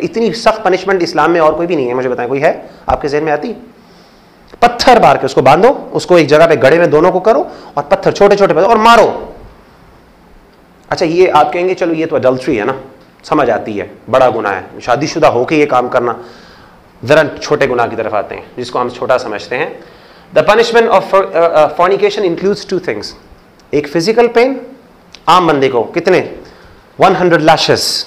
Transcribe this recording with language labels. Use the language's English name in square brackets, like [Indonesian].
[Urdu] اتنی سخت پنشمنٹ اسلام میں اور کوئی بھی نہیں ہے, مجھے بتائیں کوئی ہے آپ کے ذہن میں آتی؟ پتھر مار کے اس کو باندھو, اس کو ایک جگہ پہ گڑے میں دونوں کو کرو اور پتھر چھوٹے چھوٹے پتھر اور مارو. اچھا یہ آپ کہیں گے چلو یہ تو اڈلٹری ہے نا, سمجھ آتی ہے, بڑا گناہ ہے شادی شدہ ہو کے یہ کام کرنا. ذرا چھوٹے گناہ کی طرف آتے ہیں جس کو ہم چھوٹا سمجھتے ہیں. [English] The punishment of fornication includes two things. [Urdu] ایک physical pain, عام بندے کو کتنے, 100 lashes.